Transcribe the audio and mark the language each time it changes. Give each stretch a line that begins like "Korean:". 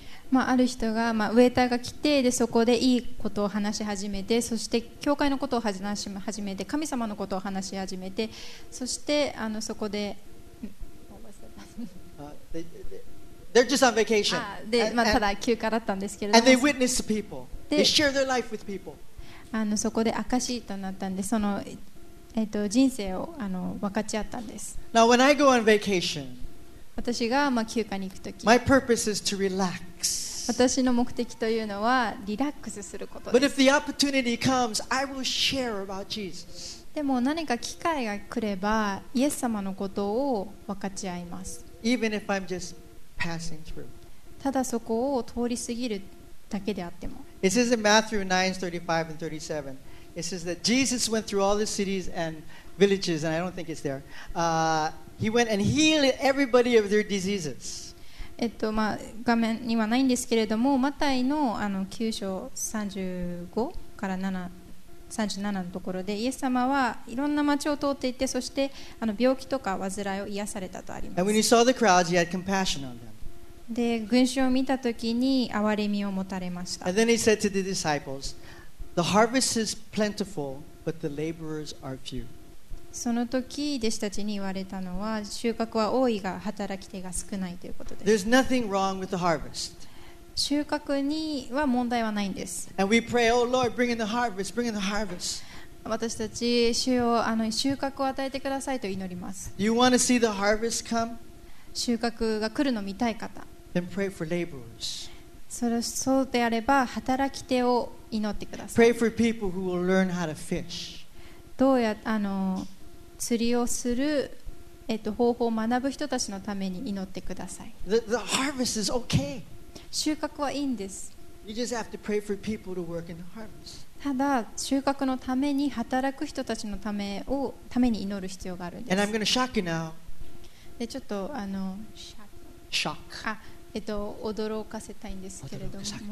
Japanese: まあある人がまあウェイターが来てでそこでいいことを話し始めて、そして教会のことを話し始めて、神様のことを話し始めて、そしてそこで。
English: They're just on vacation.
Japanese: でまあただ休暇だったんですけれども
English: 。And they witness to people. They share their life with people.
Japanese: そこで証となったんで、その、人生を分かち合ったんです。
English: Now, when I go on vacation,
Japanese: 私が、まあ、休暇に行くとき、
English: my purpose is to relax.
Japanese: 私の目的というのはリラックスすることです。
English: But if the opportunity comes, I will share about Jesus.
Japanese: でも何か機会が来れば、イエス様のことを分かち合います。
English: Even if I'm just passing through.
Japanese: ただそこを通り過ぎるだけであっても。
English: It says in Matthew 9:35 and 37, it says that Jesus went through all the cities and villages, and I don't think it's there. He went and healed everybody of their diseases.
Japanese: まあ、画面にはないんですけれども、マタイの9章35から7、37のところで、イエス様はいろんな町を通っていって、そして病気とか患いを癒されたとあります。
English: And when he saw the crowds, he had compassion on them.
Japanese: で群衆を見たときに憐れみを持たれました。
English: And then he said to the disciples, "The harvest is plentiful, but the laborers are few."
Japanese: その時弟子たちに言われたのは、収穫は多いが働き手が少ないということです。
English: There's nothing wrong with the harvest.
Japanese: 収穫には問題はないんです。
English: And we pray, "Oh Lord, bring in the harvest, bring in the harvest."
Japanese: 私たち主よ収穫を与えてくださいと祈ります。
English: You want to see the harvest come?
Japanese: 収穫が来るのを見たい方
English: Then pray for laborers.
Japanese: そうであれば働き手を祈ってください。
English: Pray for people who will learn how to fish.
Japanese: どうや釣りをする、方法を学ぶ人たちのために祈ってください。
English: the harvest is okay.
Japanese: 収穫はいいんです。
English: You just have to pray for people to work in the harvest.
Japanese: ただ収穫のために働く人たちのために祈る必要があるんです。
English: And I'm going to shock you now.
Japanese: でちょっと
English: Shock.
Japanese: 驚かせたいんですけれども、